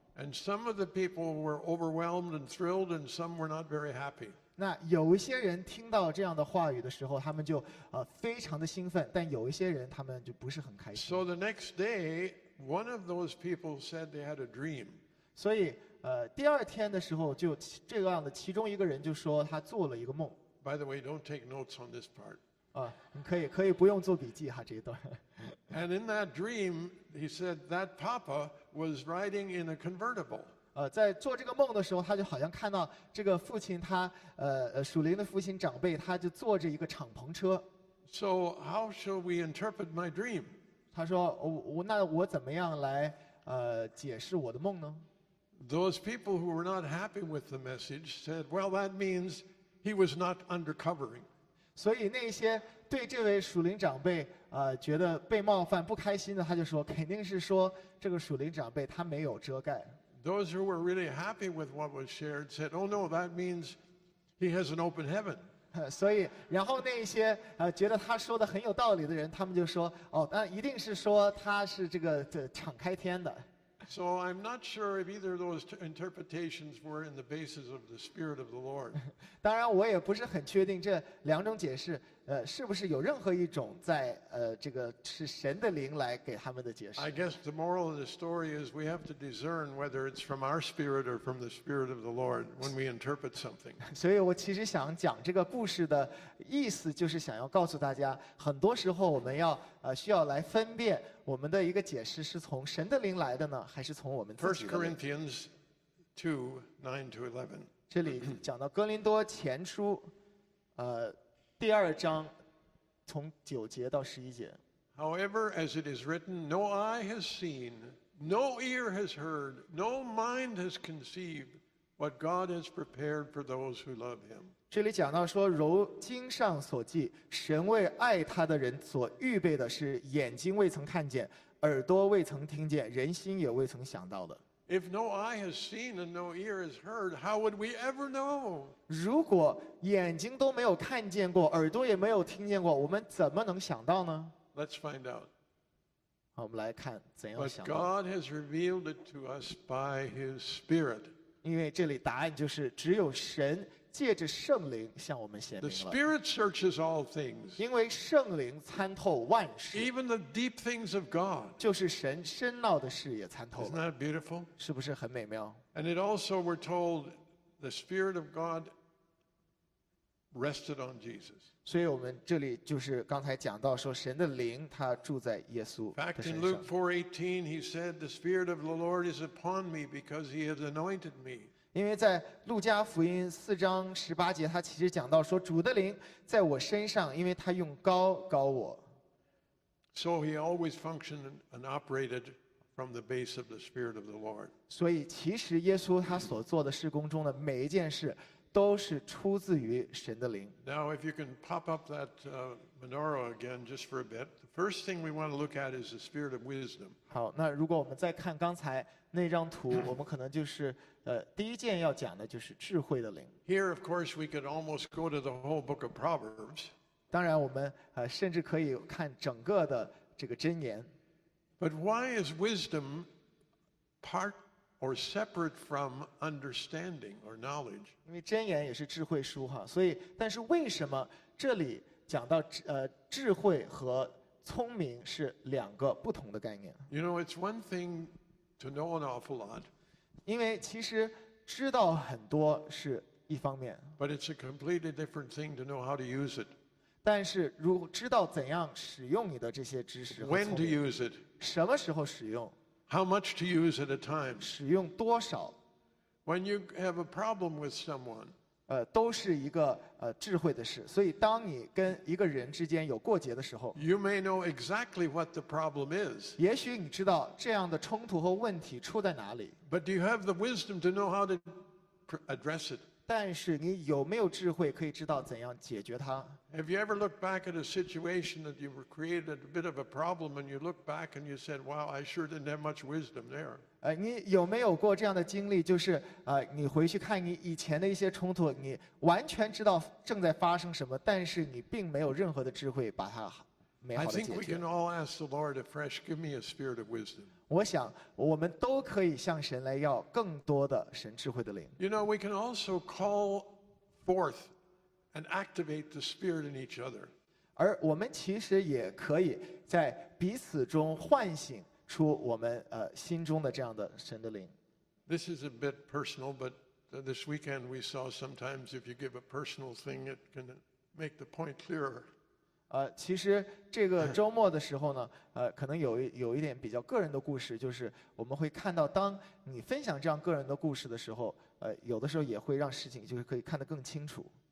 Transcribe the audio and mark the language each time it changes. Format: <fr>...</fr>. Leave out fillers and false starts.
<en>and some of the people were overwhelmed and thrilled and some were not very happy</en> <zh>那有一些人听到这样的话语的时候他们就非常的兴奋但有一些人他们就不是很开心</zh> <en>so the next day one of those people said they had a dream</en> <zh>所以第二天的时候就这样的其中一个人就说他做了一个梦</zh> <en>By the way, don't take notes on this part</en> <zh>可以不用做笔记哈这一段</zh> <en>And in that dream, he said that Papa was riding in a convertible</en> <zh>在做这个梦的时候他就好像看到这个父亲他属灵的父亲长辈他就坐着一个敞篷车</zh> <en>So how shall we interpret my dream?</en> <zh>他说那我怎么样来解释我的梦呢</zh> <en>Those people who were not happy with the message said, well, that means he was not undercovering.</en> <zh>所以那些对这位属灵长辈觉得被冒犯不开心的他就说肯定是说这个属灵长辈他没有遮盖。</zh> <en>Those who were really happy with what was shared said, oh no, that means he has an open heaven.</en> <zh>所以然后那些觉得他说的很有道理的人他们就说哦那一定是说他是这个敞开天的。</zh> <en>So I'm not sure if either of those interpretations were in the basis of the Spirit of the Lord.</en> <zh>当然我也不是很确定这两种解释是不是有任何一种在这个是神的灵来给他们的解释。</zh> <en>I guess the moral of the story is we have to discern whether it's from our spirit or from the Spirit of the Lord when we interpret something.</en> <zh>所以我其实想讲这个故事的意思就是想要告诉大家很多时候我们要需要来分辨我们的一个解释是从神的灵来的呢还是从我们自己的灵。</zh> <en>1 Corinthians 2:9-11.</en> <zh>这里讲到哥林多前书第二章从九节到十一节。</zh> <en>However, as it is written, no eye has seen, no ear has heard, no mind has conceived what God has prepared for those who love him.</en> <zh>这里讲到说如经上所记神为爱他的人所预备的是眼睛未曾看见耳朵未曾听见人心也未曾想到的。</zh> <en>If no eye has seen and no ear has heard, how would we ever know?</en> <zh>如果眼睛都没有看见过，耳朵也没有听见过，我们怎么能想到呢？</zh> <en>Let's find out.</en> <zh>我们来看怎样想。</zh> <en>But God has revealed it to us by His Spirit.</en> <zh>因为这里答案就是只有神借着圣灵向我们显明了。</zh> <en>The Spirit searches all things.</en> <zh>因为圣灵参透万事。</zh> <en>Even the deep things of God.</en> <zh>就是神深奥的事也参透了。</zh> <en>Isn't that beautiful?</en> <zh>是不是很美妙？</zh> <en>And it also, we're told, the Spirit of God. Rested on Jesus.</en> <zh>所以我们这里就是刚才讲到说神的灵他住在耶稣的身上。</zh> <en>In fact, in Luke 4:18, he said, "The Spirit of the Lord is upon me because He has anointed me."</en> <zh>因为在路加福音四章十八节，他其实讲到说主的灵在我身上，因为他用膏膏我。</zh> <en>So he always functioned and operated from the base of the Spirit of the Lord.</en> <zh>所以其实耶稣他所做的事工中的每一件事。都是出自于神的灵。</zh> <en>Now, if you can pop up that menorah again just for a bit, the first thing we want to look at is the spirit of wisdom.</en> <zh>好，那如果我们再看刚才那张图，我们可能就是第一件要讲的就是智慧的灵。</zh> <en>Here, of course, we could almost go to the whole book of Proverbs.</en> <zh>当然，我们甚至可以看整个的这个箴言。</zh> <en>But why is wisdom part? Or separate from understanding or knowledge.</en> <zh>因为箴言也是智慧书哈，所以但是为什么这里讲到智慧和聪明是两个不同的概念</zh> <en>？You know, it's one thing to know an awful lot.</en> <zh>因为其实知道很多是一方面。</zh> <en>But it's a completely different thing to know how to use it.</en> <zh>但是如知道怎样使用你的这些知识和聪明</zh> <en>，When to use it，</en> <zh>什么时候使用？</zh> <en>How much to use at a time?</en> <zh>使用多少</zh> <en>？When you have a problem with someone,</en> <zh>都是一个智慧的事。所以，当你跟一个人之间有过节的时候</zh> <en>，You may know exactly what the problem is.</en> <zh>也许你知道这样的冲突和问题出在哪里。</zh> <en>But do you have the wisdom to know how to address it?</en> <zh>但是你有没有智慧可以知道怎样解决它</zh> <en>？Have you ever looked back at a situation that you created a bit of a problem, and you look back and you said, "Wow, I sure didn't have much wisdom there."</en> <zh>你有没有过这样的经历？就是你回去看你以前的一些冲突，你完全知道正在发生什么，但是你并没有任何的智慧把它美好的解决。</zh> <en>I think we can all ask the Lord afresh, "Give me a spirit of wisdom."</en> <zh>我想我们都可以向神来要更多的神智慧的灵。</zh> <en>You know, we can also call forth and activate the spirit in each other.</en> <zh>而我们其实也可以在彼此中唤醒出我们心中的这样的神的灵。</zh> <en>This is a bit personal, but this weekend we saw sometimes if you give a personal thing, it can make the point clearer.</en> <zh>其实这个周末的时候呢，可能有一点比较个人的故事，就是我们会看到，当你分享这样个人的故事的时候，有的时候也会让事情就是可以看得更清楚。</zh>